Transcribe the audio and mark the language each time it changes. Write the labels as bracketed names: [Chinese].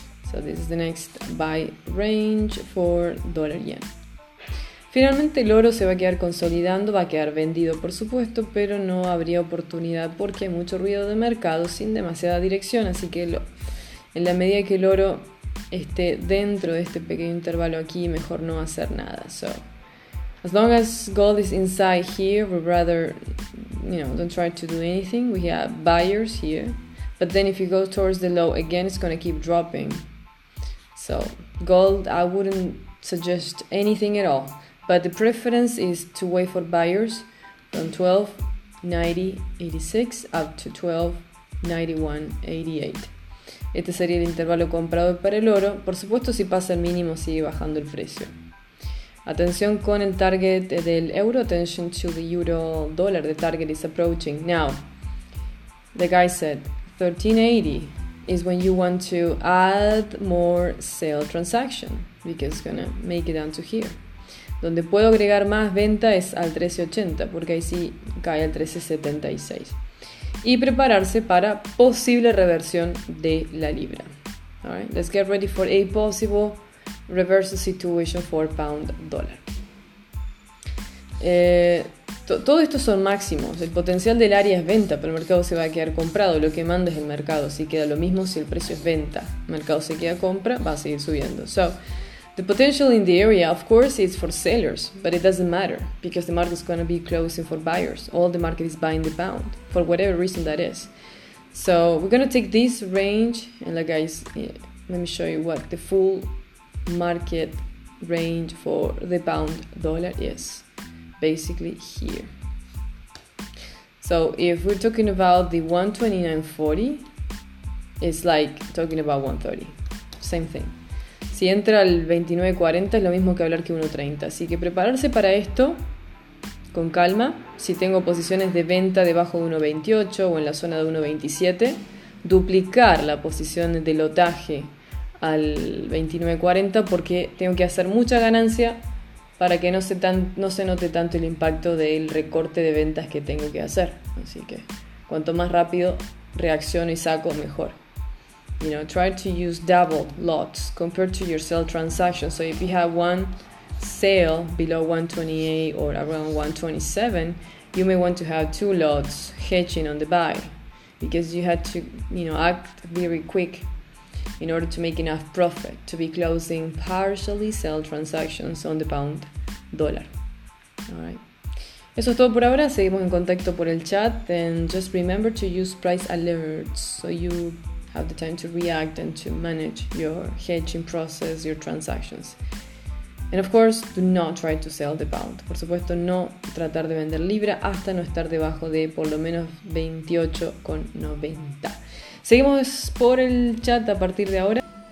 [English] So this is the next buy range for dollar yen. [Spanish] Finalmente el oro se va a quedar consolidando, va a quedar vendido por supuesto, pero no habría oportunidad porque hay mucho ruido de mercado sin demasiada dirección, así que en la medida que el oro esté dentro de este pequeño intervalo aquí, mejor no hacer nada. [English] So as long as gold is inside here, we'd rather, you know, don't try to do anything. We have buyers here. But then if you go towards the low again, it's going to keep dropping. So gold, I wouldn't suggest anything at all. But the preference is to wait for buyers from 12.90.86 up to 12.91.88. [Spanish] Este sería el intervalo comprado para el oro. Por supuesto, si pasa el mínimo, sigue bajando el precio. Atención con el target del euro, [English] attention to the euro dollar, the target is approaching. Now, the guy said 1380 is when you want to add more sale transaction, because it's gonna make it down to here. [Spanish] Donde puedo agregar más venta es al 1380, porque ahí sí cae al 1376. Y prepararse para posible reversión de la libra. [English] Alright, let's get ready for a possible reverse the situation for pound dollar. [Spanish] Todo esto son máximos. El potencial del área es venta, pero el mercado se va a quedar comprado. Lo que manda es el mercado. Si queda lo mismo, si el precio es venta, el mercado se queda compra, va a seguir subiendo. [English] So, the potential in the area, of course, is for sellers, but it doesn't matter because the market is going to be closing for buyers. All the market is buying the pound for whatever reason that is. So, we're going to take this range, and like guys, let me show you what the full market range for the pound dollar is basically here. So if we're talking about the 129.40, it's like talking about 130, same thing. [Spanish] Si entra al 29.40 es lo mismo que hablar que 130, así que prepararse para esto con calma. Si tengo posiciones de venta debajo de 128 o en la zona de 127, duplicar la posición de lotaje al 29.40, porque tengo que hacer mucha ganancia para que no se note tanto el impacto del recorte de ventas que tengo que hacer. Así que cuanto más rápido reacciono y saco, mejor. [English] You know, try to use double lots compared to your sell transaction. So if you have one sale below 128 or around 127, you may want to have two lots hedging on the buy, because you had to, you know, act very quick in order to make enough profit to be closing partially sell transactions on the pound dollar. Alright. [Spanish] Eso es todo por ahora. Seguimos en contacto por el chat. [English] And just remember to use price alerts so you have the time to react and to manage your hedging process, your transactions. And of course, do not try to sell the pound. [Spanish] Por supuesto, no tratar de vender libra hasta no estar debajo de por lo menos 28,90. Seguimos por el chat a partir de ahora.